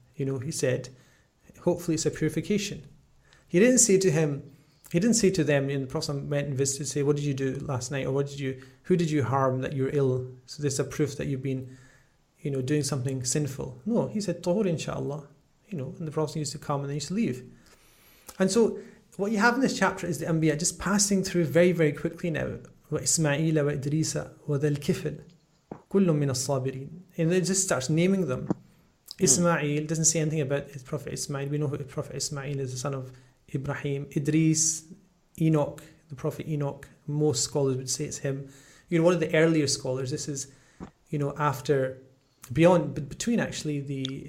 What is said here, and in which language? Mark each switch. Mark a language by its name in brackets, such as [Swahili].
[English] You know, he said, hopefully it's a purification. He didn't say to him, he didn't say to them, and the Prophet went and visited, say, what did you do last night? Or who did you harm that you're ill? So this is a proof that you've been, you know, doing something sinful. No, he said, tahur insha'Allah. You know, and the Prophet used to come and then used to leave. And so what you have in this chapter is the Anbiya just passing through very, very quickly now. [Arabic] وإسماعيل وإدريس وذا الكفل كل من الصابرين. [English] And it just starts naming them. Ismail doesn't say anything about his Prophet Ismail. We know who Prophet Ismail is, the son of Ibrahim. Idris, Enoch, the Prophet Enoch. Most scholars would say it's him. You know, one of the earlier scholars. This is, you know, after, beyond, between actually the